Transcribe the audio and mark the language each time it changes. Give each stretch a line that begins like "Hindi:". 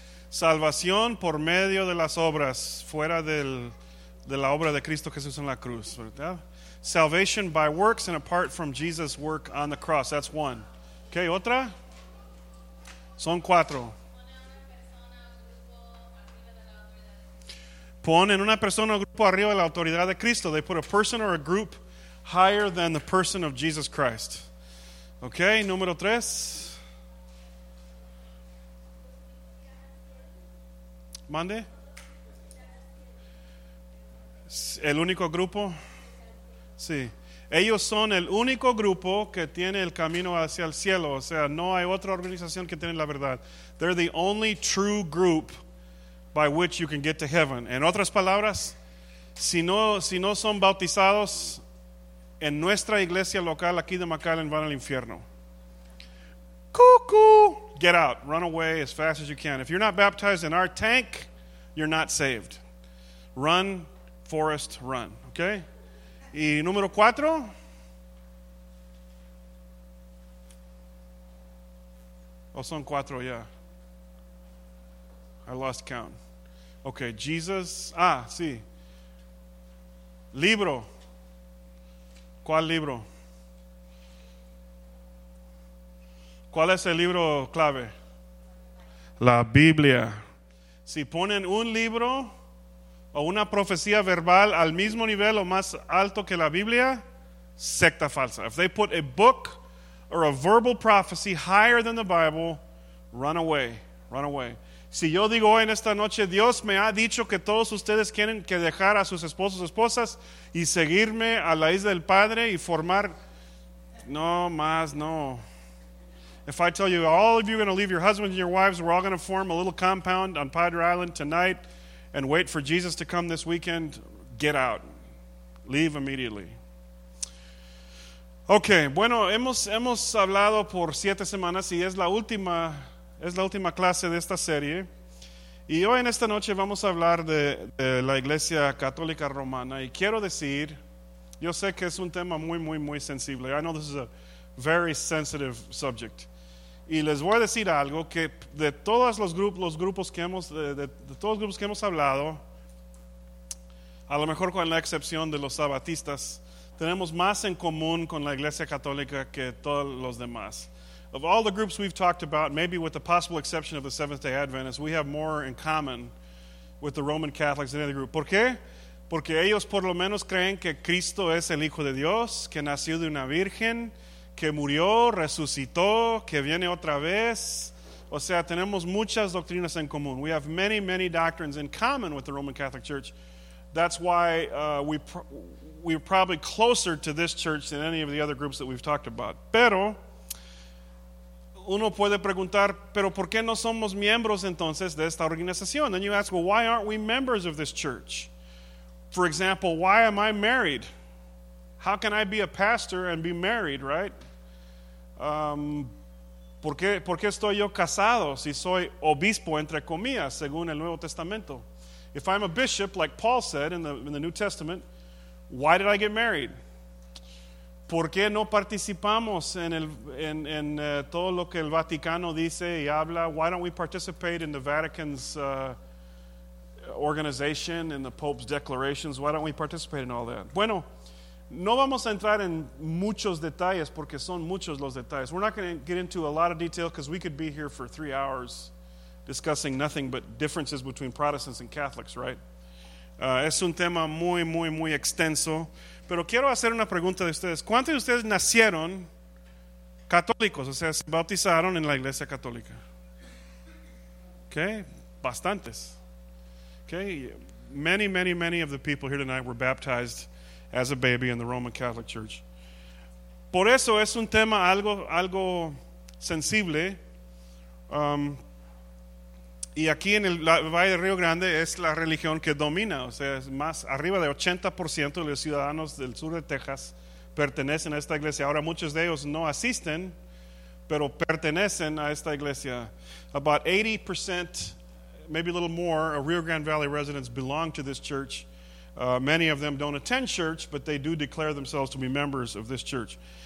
Spanish: Salvación por medio de las obras, fuera de la obra de Cristo Jesús en la cruz, ¿verdad?
English: Salvation by works and apart from Jesus' work on the cross. That's one. Okay,
Spanish: otra. Son cuatro. Ponen una persona o grupo arriba de la autoridad de Cristo.
English: They put a person or a group higher than the person of Jesus Christ.
Spanish: Okay, número tres. Mande. El único grupo. Sí. Ellos son el único grupo que tiene el camino hacia el cielo. O sea, no hay otra organización que tiene la verdad.
English: They're the only true group by which you can get to heaven.
Spanish: En otras palabras, si no son bautizados en nuestra iglesia local aquí de McAllen, van al infierno.
English: Cuckoo! Get out. Run away as fast as you can. If you're not baptized in our tank, you're not saved. Run, Forrest, run. Okay?
Spanish: Y número cuatro. Son cuatro, yeah.
English: I lost count. Okay, Jesus.
Spanish: Sí. Libro. ¿Cuál libro? ¿Cuál es el libro clave? La Biblia. Si ponen un libro o una profecía verbal al mismo nivel o más alto que la Biblia, secta falsa.
English: If they put a book or a verbal prophecy higher than the Bible, run away, run away.
Spanish: Si yo digo hoy en esta noche, Dios me ha dicho que todos ustedes quieren que dejar a sus esposos o esposas y seguirme a la isla del Padre y formar, no más, no.
English: If I tell you, all of you are going to leave your husbands and your wives, we're all going to form a little compound on Padre Island tonight and wait for Jesus to come this weekend, get out. Leave immediately.
Spanish: Okay, bueno, hemos hablado por 7 semanas y es la última clase de esta serie. Y hoy en esta noche vamos a hablar de la Iglesia Católica Romana. Y quiero decir, yo sé que es un tema muy, muy, muy sensible.
English: I know this is a very sensitive subject.
Spanish: Y les voy a decir algo, que de todos los grupos que hemos hablado, a lo mejor con la excepción de los sabatistas, tenemos más en común con la Iglesia Católica que todos los demás.
English: Of all the groups we've talked about, maybe with the possible exception of the Seventh-day Adventists, we have more in common with the Roman Catholics than any other group.
Spanish: ¿Por qué? Porque ellos por lo menos creen que Cristo es el Hijo de Dios, que nació de una virgen, que murió, resucitó, que viene otra vez. O sea, tenemos muchas doctrinas en común.
English: We have many, many doctrines in common with the Roman Catholic Church. That's why we're probably closer to this church than any of the other groups that we've talked about.
Spanish: Pero, uno puede preguntar, ¿pero por qué no somos miembros entonces de esta organización?
English: Then you ask, well, why aren't we members of this church? For example, why am I married? How can I be a pastor and be married, right?
Spanish: ¿Por qué estoy yo casado si soy obispo, entre comillas, según el Nuevo Testamento?
English: If I'm a bishop, like Paul said in the New Testament, why did I get married?
Spanish: ¿Por qué no participamos en todo lo que el Vaticano dice y habla?
English: Why don't we participate in the Vatican's organization and the Pope's declarations. Why don't we participate in all that?
Spanish: Bueno, no vamos a entrar en muchos detalles porque son muchos los detalles.
English: We're not going to get into a lot of detail because we could be here for 3 hours discussing nothing but differences between Protestants and Catholics, right?
Spanish: Es un tema muy, muy, muy extenso. Pero quiero hacer una pregunta de ustedes. ¿Cuántos de ustedes nacieron católicos? O sea, se bautizaron en la iglesia católica. Okay, bastantes.
English: Okay, many, many, many of the people here tonight were baptized as a baby in the Roman Catholic Church.
Spanish: Por eso es un tema algo sensible. Y aquí en el Valle del Río Grande es la religión que domina. O sea, es más arriba de 80% de los ciudadanos del sur de Texas pertenecen a esta iglesia. Ahora muchos de ellos no asisten, pero pertenecen a esta iglesia.
English: About 80%, maybe a little more, of Rio Grande Valley residents belong to this church. Many of them don't attend church, but they do declare themselves to be members of this church.